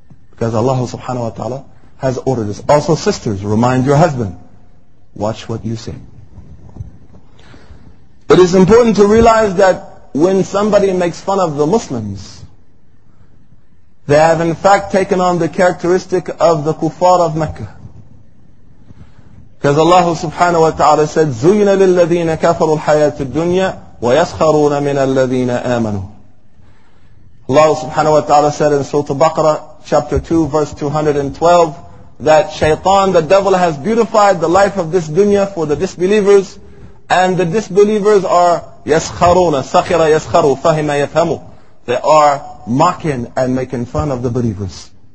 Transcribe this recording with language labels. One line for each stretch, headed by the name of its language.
English: Because Allah subhanahu wa ta'ala has ordered this. Also sisters, remind your husband. Watch what you say. It is important to realize that when somebody makes fun of the Muslims, they have in fact taken on the characteristic of the kuffar of Mecca. Because Allah subhanahu wa ta'ala said,
Arabic: زُيِّنَ لِلَّذِينَ كَفَرُوا الْحَيَاةُ الدُّنْيَا وَيَسْخَرُونَ مِنَ الَّذِينَ آمَنُوا.
English: Allah subhanahu wa ta'ala said in Surah Al-Baqarah, chapter 2, verse 212, that shaitan, the devil, has beautified the life of this dunya for the disbelievers, and the disbelievers are
Arabic: يَسْخَرُونَ سَخِرَ يَسْخَرُوا فَهِمَ يَفْهَمُوا.
English: They are mocking and making fun of the believers.